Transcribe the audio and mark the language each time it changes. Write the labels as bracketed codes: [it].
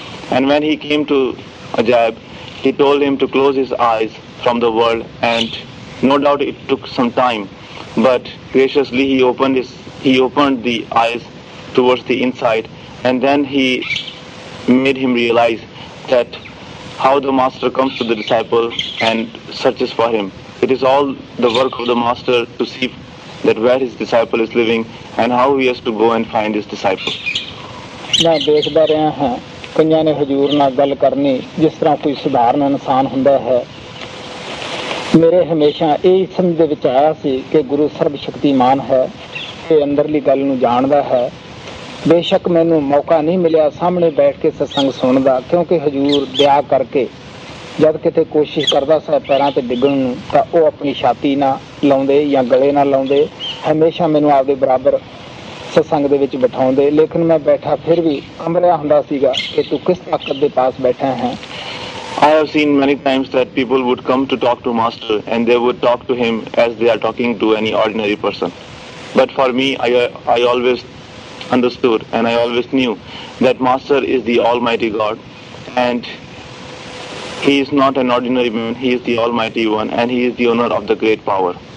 [en] And when he came to Ajayab, he told him to close his eyes from the world, and no doubt it took some time, but graciously he opened the eyes towards the inside, and then he made him realize that how the master comes to the disciple and searches for him. It is all the work of the master to see that where his disciple is living and how he has to go and find his disciple. [pa] ਮੈਂ ਦੇਖਦਾ ਰਿਹਾ ਹਾਂ ਕਈਆਂ ਨੇ ਹਜ਼ੂਰ ਨਾਲ ਗੱਲ ਕਰਨੀ ਜਿਸ ਤਰ੍ਹਾਂ ਕੋਈ ਸਧਾਰਨ ਇਨਸਾਨ ਹੁੰਦਾ ਹੈ। ਮੇਰੇ ਹਮੇਸ਼ਾ ਇਹ ਸਮਝ ਦੇ ਵਿੱਚ ਆਇਆ ਸੀ ਕਿ ਗੁਰੂ ਸਰਬ ਸ਼ਕਤੀਮਾਨ ਹੈ, ਇਹ ਅੰਦਰਲੀ ਗੱਲ ਨੂੰ ਜਾਣਦਾ ਹੈ। ਬੇਸ਼ੱਕ ਮੈਨੂੰ ਮੌਕਾ ਨਹੀਂ ਮਿਲਿਆ ਸਾਹਮਣੇ ਬੈਠ ਕੇ ਸਤਸੰਗ ਸੁਣਨ ਦਾ, ਕਿਉਂਕਿ ਹਜ਼ੂਰ ਦਿਆ ਕਰਕੇ ਜਦ ਕਿਤੇ ਕੋਸ਼ਿਸ਼ ਕਰਦਾ ਸਾ ਪੈਰਾਂ 'ਤੇ ਡਿੱਗਣ ਨੂੰ ਤਾਂ ਉਹ ਆਪਣੀ ਛਾਤੀ ਨਾਲ ਲਾਉਂਦੇ ਜਾਂ ਗਲੇ ਨਾਲ ਲਾਉਂਦੇ, ਹਮੇਸ਼ਾ ਮੈਨੂੰ ਆਪਦੇ ਬਰਾਬਰ ਸਤਸੰਗ ਦੇ ਵਿੱਚ ਬਿਠਾਉਂਦੇ, ਲੇਕਿਨ ਮੈਂ ਬੈਠਾ ਫਿਰ ਵੀ ਕੰਬਰਿਆ ਹੁੰਦਾ ਸੀਗਾ ਕਿ ਤੂੰ ਕਿਸ ਤਾਕਤ ਦੇ ਪਾਸ ਬੈਠਾ ਹੈ। [en] I have seen many times that people would come to talk to Master and they would talk to him as they are talking to any ordinary person. But for me, I always understood and I always knew that Master is the Almighty God and he is not an ordinary man, he is the Almighty One and he is the owner of the great power.